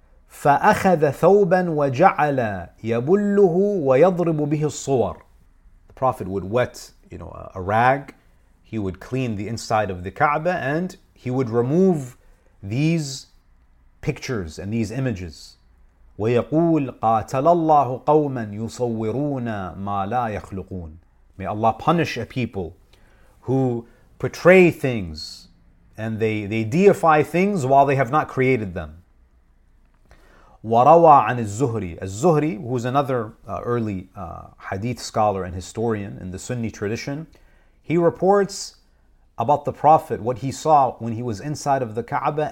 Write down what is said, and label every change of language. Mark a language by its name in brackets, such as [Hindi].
[Arabic] فَأَخَذَ ثَوْبًا وَجَعَلَ يَبُلُّهُ وَيَضْرِبُ بِهِ الصُّوَرِ. [English] The Prophet would wet, you know, a rag. He would clean the inside of the Kaaba and he would remove these pictures and these images. [Arabic] ويقول قاتل الله قوما يصورون ما لا يخلقون. [English] May Allah punish a people who portray things and they deify things while they have not created them. [Arabic] وروى عن الزهري. [English] الزهري, who is another early hadith scholar and historian in the Sunni tradition, he reports about the Prophet, what he saw when he was inside of the Kaaba.